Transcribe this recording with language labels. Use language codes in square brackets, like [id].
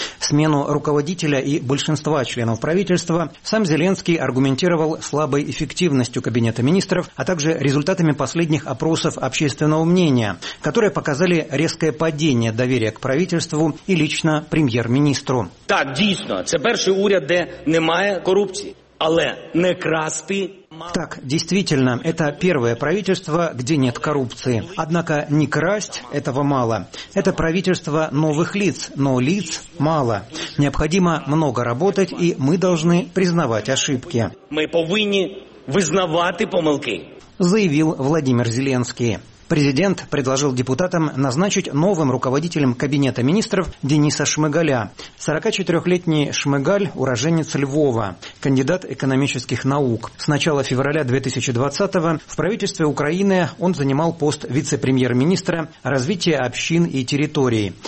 [ru] Смену руководителя и большинства членов правительства сам Зеленский аргументировал слабой эффективностью кабинета министров, а также результатами последних опросов общественного мнения, которые показали резкое падение доверия к правительству и лично премьер-министру. [uk] Так, дійсно, це перший уряд, де немає корупції, але не красти. [ru] Так, действительно, это первое правительство, где нет коррупции. Однако не красть – этого мало. Это правительство новых лиц, но лиц мало. Необходимо много работать, и мы должны признавать ошибки. [uk] Мы повинні визнавати помилки, [ru] заявил Владимир Зеленский. Президент предложил депутатам назначить новым руководителем кабинета министров Дениса Шмыгаля. 44-летний Шмыгаль – уроженец Львова, кандидат экономических наук. С начала февраля 2020-го в правительстве Украины он занимал пост вице-премьер-министра развития общин и территорий.